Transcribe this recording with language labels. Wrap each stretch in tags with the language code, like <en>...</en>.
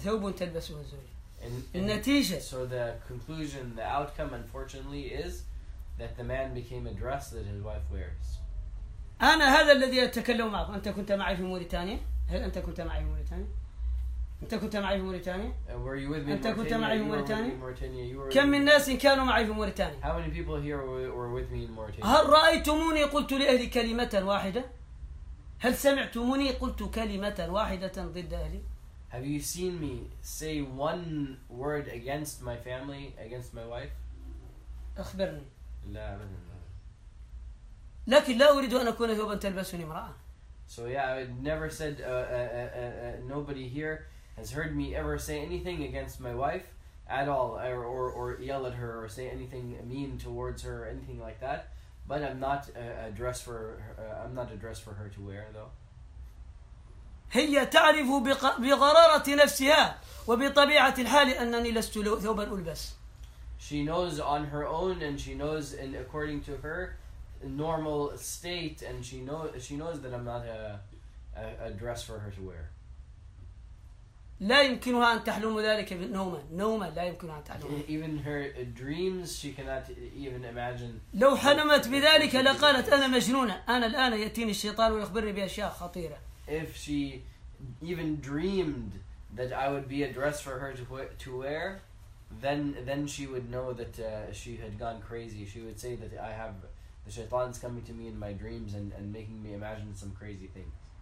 <en>So the conclusion, the outcome, unfortunately, is that the man became a dress that his wife wears.</en> <ar>أنا هذا الذي أتكلم معك. أنت كنت معي في موريتانيا. هل أنت كنت معي في موريتانيا؟ أنت كنت معي في موريتانيا؟</ar> <en>Were you with me</en> <ar>أنت</ar> <en>Mauritania?</en> <ar>كنت معي في موريتانيا؟</ar> <en>Were...</en> <ar>كم من ناس كانوا معي في موريتانيا؟</ar> <en>How many people here were with me in Mauritania?</en> <ar>هل رأيتموني قلت لأهلي كلمة واحدة؟ هل سمعتموني قلت كلمة واحدة ضد أهلي؟</ar> <en>Have you seen me say one word against my family, against my wife?</en> <ar>أخبرني. لا أبدا. لكن لا أريد أن أكون ثوبا تلبسني امرأة.</ar> <en>So yeah, I never said nobody here has heard me ever say anything against my wife at all, or yell at her, or say anything mean towards her, or anything like that. But I'm not a dress for her, I'm not a dress for her to wear though.</en> <ar>هي تعرف بغرارة نفسها وبطبيعة الحال أنني لست ثوبا ألبس.</ar> <en>She knows on her own and she knows in according to her normal state and she knows that I'm not a dress for her to wear.</en> <ar>لا يمكنها أن تحلم ذلك نوما نوما لا يمكنها أن تحلم.</ar> <en>Even her dreams she cannot even imagine.</en> <ar>لو حلمت بذلك لقالت أنا مجنونة أنا الآن يأتيني الشيطان ويخبرني بأشياء خطيرة.</ar> <en>If she even dreamed that I would be a dress for her to wear, then she would know that she had gone crazy. She would say that I have the shaitan's coming to me in my dreams and making me imagine some crazy things.</en>